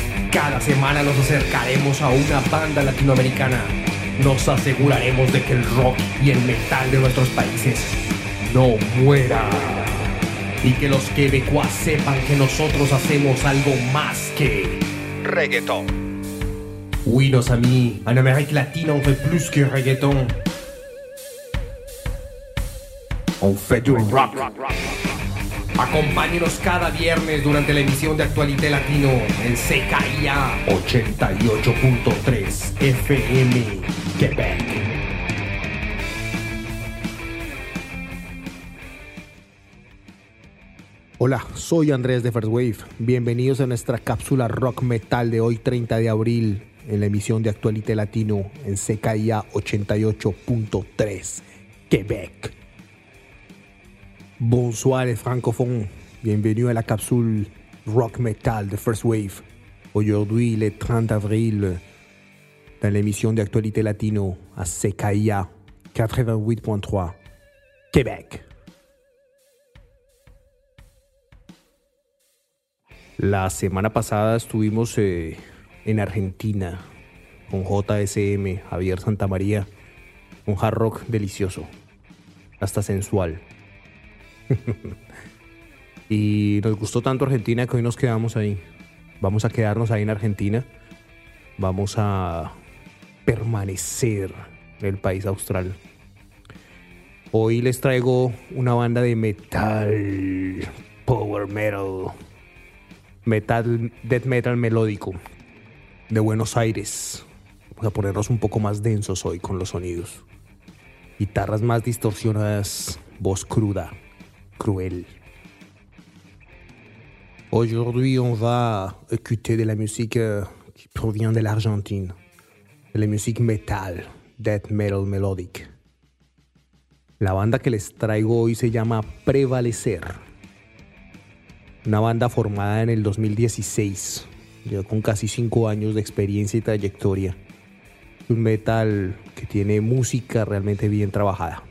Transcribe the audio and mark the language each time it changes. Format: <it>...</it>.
<es>Cada semana nos acercaremos a una banda latinoamericana. Nos aseguraremos de que el rock y el metal de nuestros países no muera. Y que los quebecuas sepan que nosotros hacemos algo más que reggaetón.</es> <fr>Oui, nos amis, en Amérique latine, on fait plus que reggaetón. On fait du rock.</fr> <es>Acompáñenos cada viernes durante la emisión de Actualité Latino en CKIA 88.3 FM Quebec. Hola, soy Andrés de First Wave. Bienvenidos a nuestra cápsula rock metal de hoy, 30 de abril, en la emisión de Actualité Latino en CKIA 88.3 Quebec.</es> <fr>Bonsoir les francophones, bienvenue à la capsule rock metal de First Wave. Aujourd'hui, le 30 avril, dans l'émission d'actualité latino à CKIA 88.3, Québec. La semaine passée,</fr> <es>estuvimos en Argentina con JSM, Javier Santa María, un hard rock delicioso, hasta sensual. Y nos gustó tanto Argentina que hoy nos quedamos ahí. Vamos a quedarnos ahí en Argentina. Vamos a permanecer en el país austral. Hoy les traigo una banda de metal, power metal, metal, death metal melódico de Buenos Aires. Vamos a ponernos un poco más densos hoy con los sonidos. Guitarras más distorsionadas, voz cruda, cruel.</es> <fr>Aujourd'hui, on va écouter de la musique qui provient de l'Argentine. De la musique metal, death metal melodic.</fr> <es>La banda que les traigo hoy se llama Prevalecer. Una banda formada en el 2016. Lleva con casi 5 años de experiencia y trayectoria. Un metal que tiene música realmente bien trabajada.</es>